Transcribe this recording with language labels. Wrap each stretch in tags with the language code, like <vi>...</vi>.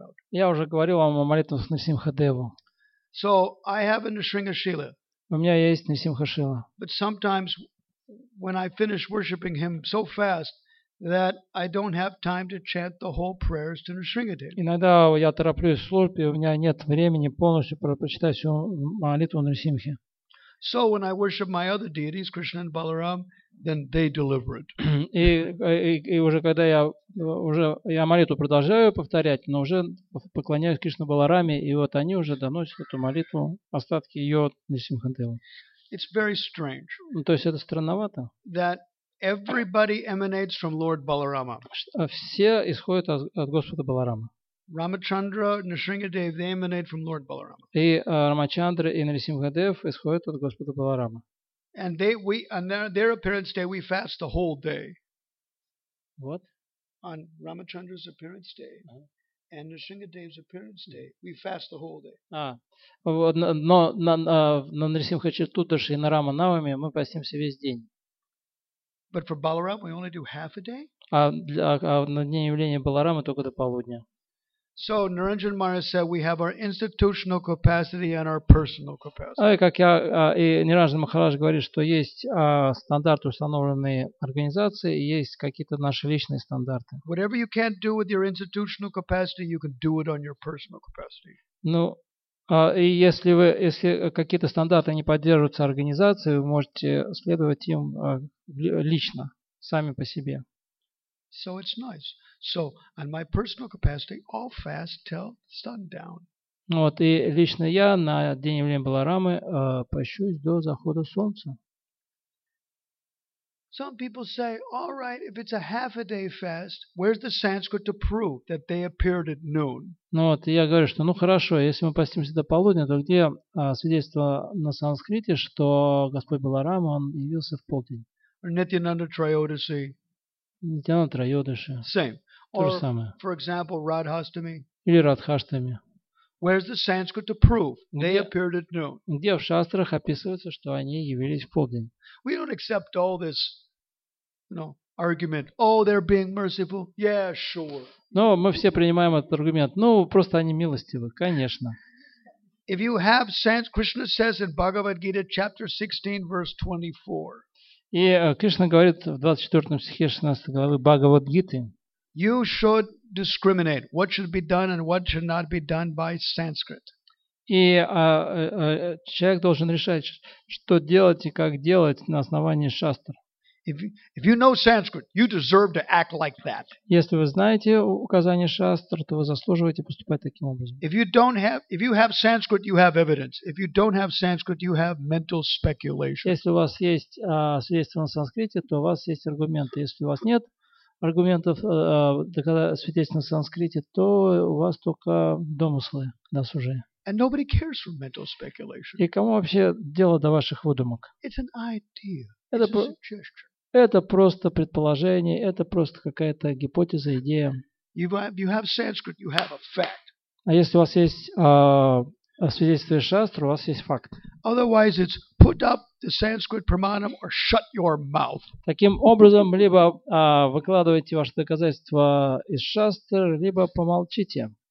<ru>Я уже говорил вам о молитвах Нрисимхадеву.</ru> <en>So I have a Nrisimha Shila.</en> <ru>У меня есть Нрисимха Шила.</ru> <en>But sometimes when I finish worshiping him so fast, that I don't have time to chant the whole prayers to Nrisimhadev.</en> <ru>Иногда я тороплюсь в службе, у меня нет времени полностью прочитать всю молитву Нрисимхи.</ru> <en>So when I worship my other deities, Krishna and Balaram, then they deliver it.</en> <ru>И уже когда я молитву продолжаю повторять, но уже поклоняюсь Кришне Балараме, и вот они уже доносят эту молитву, остатки ее Нрисимхадева.</ru> <en>It's very strange.</en> <ru>То есть это странновато.</ru> <en>That everybody emanates from Lord Balarama.</en> <ru>Все исходят от Господа Баларама.</ru> <en>Ramachandra, Nrisimhadev, they emanate from Lord Balarama.</en> <ru>И Рамачандра и Нрисимхадев исходят от Господа Баларама.</ru> <en>And they, we, and their appearance day, we fast the whole day. What? on Ramachandra's appearance day and Nrisimha Dev's appearance day, we fast the whole day.</en> <ru>Но на Нрисимха Чатурдаши и на Рама Навами мы постимся весь день.</ru> <en>But for Balaram, we only do half a day.</en> <ru>На дне явления Баларамы только до полудня.</ru> <en>So Niranjan Maharaj said, we have our institutional capacity and our personal capacity.</en> <ru>Как я и Ниранджан Махарадж говорит, что есть стандарты, установленные организации, и есть какие-то наши личные стандарты.</ru> <en>Whatever you can't do with your institutional capacity, you can do it on your personal capacity.</en> <ru>Ну, и если вы, если какие-то стандарты не поддерживаются организацией, вы можете следовать им лично, сами по себе.</ru> <en>So it's nice. So, on my personal capacity, I'll fast till sundown.</en> <ru>Вот, и лично я на день явления Баларамы пощусь до захода солнца.</ru> <en>Some people say, all right, if it's a half a day fast, where's the Sanskrit to prove that they appeared at noon?</en> <ru>Ну вот, я говорю, что ну хорошо, если мы постимся до полудня, то где свидетельство на санскрите, что Господь Баларама, он явился в полдень?</ru> <en>Nityananda Trayodashi.</en> <ru>Нитянанда Трайодаши.</ru> <en>Same.</en> <ru>То же самое.</ru> <en>For example, Radhashtami.</en> <ru>Или Радхаштами.</ru> <en>Where's the Sanskrit to prove they appeared at noon?</en> <ru>Где в шастрах описывается, что они явились в полдень?</ru> <en>We don't accept all this, you know, argument. Oh, they're being merciful. Yeah, sure.</en> <ru>Но мы все принимаем этот аргумент. Ну, просто они милостивы, конечно.</ru> <en>If you have sense, Krishna says in Bhagavad Gita, chapter 16, verse 24.</en> <ru>И Кришна говорит в 24 стихе 16 главы Бхагавад-гиты.</ru> <en>You should discriminate what should be done and what should not be done by Sanskrit.</en> <ru>И человек должен решать, что делать и как делать на основании шастр.</ru> <en>If you know Sanskrit, you deserve to act like that.</en> <ru>Если вы знаете указания шастр, то вы заслуживаете поступать таким образом.</ru> <en>If you have Sanskrit, you have evidence. If you don't have Sanskrit, you have mental speculation.</en> <ru>Если у вас есть свидетельство на санскрите, то у вас есть аргументы. Если у вас нет аргументов, свидетельства на санскрите, то у вас только домыслы на суже.</ru> <en>And nobody cares for mental speculation.</en> <ru>И кому вообще дело до ваших выдумок?</ru> <en>It's an idea.</en> <ru>Это просто предположение, это просто какая-то гипотеза, идея.</ru> <en>You have Sanskrit, you have a fact.</en> <ru>А если у вас есть свидетельство шастр, у вас есть факт.</ru> <en>Otherwise, it's put up the Sanskrit pramanam or shut your mouth.</en> <ru>Таким образом, либо выкладывайте ваше доказательство из шастр, либо помолчите.</ru>